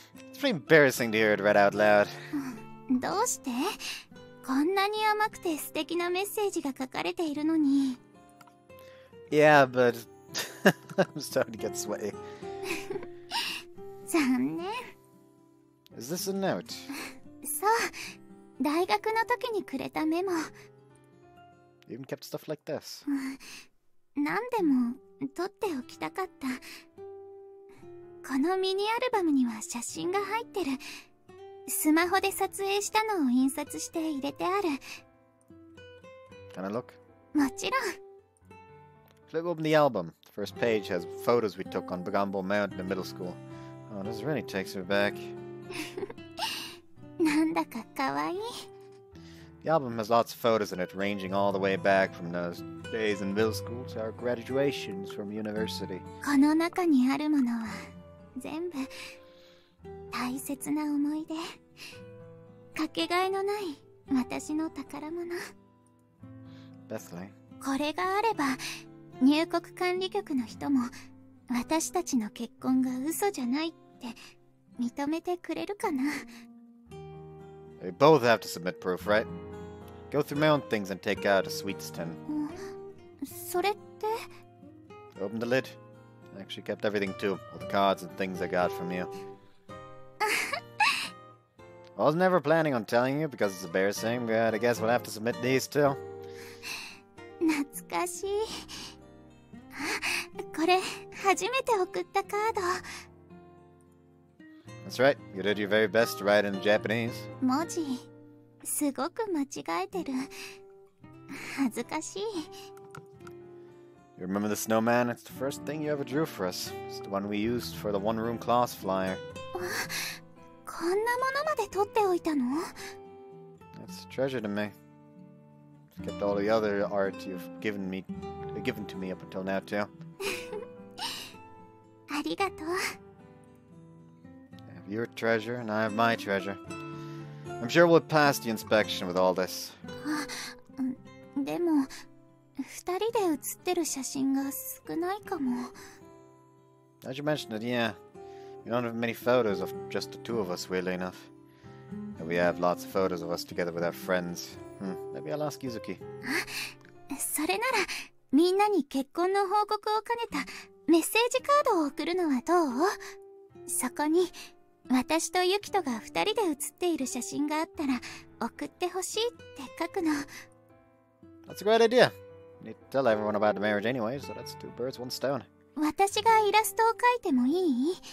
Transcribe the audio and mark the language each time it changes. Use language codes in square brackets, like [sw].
[en] It's pretty embarrassing to hear it read out loud. [ja] どうして? こんなに甘くて素敵なメッセージが書かれているのに。 [en] Yeah, but I'm starting to get sweaty. [ja] 残念。 [en] Is this a note? [ja] そう。大学の時にくれたメモ。 [en] You even kept stuff like this. [ja] 何でも撮っておきたかった。このミニアルバムには写真が入ってる。スマホで撮影したのを印刷して入れてある。 [en] Can I look? [ja] もちろん。 [en] Flip open the album. The first page has photos we took on Bagambo Mountain in middle school. Oh, this really takes her back. [ja] なんだかかわいい。 [en] The album has lots of photos in it, ranging all the way back from those days in middle school to our graduations from university. [ja] この中にあるものは全部大切な思い出。かけがえのない私の宝物。 Bethly。これがあれば、入国管理局の人も、私たちの結婚が嘘じゃないって、認めてくれるかな。 [en] They both have to submit proof, right? Go through my own things and take out a sweets tin. [ja] それって… [en] Open the lid. I actually kept everything too. All the cards and things I got from you. I was never planning on telling you because it's embarrassing, but I guess we'll have to submit these too. [ja] 懐かしい。これ、初めて送ったカード。 [en] That's right. You did your very best to write in Japanese. [ja] 文字、すごく間違えてる。恥ずかしい。 [en] You remember the snowman? It's the first thing you ever drew for us. It's the one we used for the one-room class flyer. [ja] こんなものまで取っておいたの? [en] That's a treasure to me. You've kept all the other art you've given to me up until now, too. [ja] ありがとう。 [en] Your treasure, and I have my treasure. I'm sure we'll pass the inspection with all this. [ja] でも、二人で写ってる写真が少ないかも。 [en] As you mentioned it, yeah. We don't have many photos of just the two of us, weirdly enough. And we have lots of photos of us together with our friends. Maybe I'll ask Yuzuki. [ja] それなら、みんなに結婚の報告を兼ねたメッセージカードを送るのはどう? そこに、私とユキトが二人で写っている写真があったら送ってほしいって書くの。 [en] That's a great idea. You need to tell everyone about the marriage anyway, so that's two birds, one stone. [ja] 私がイラストを描いてもいい?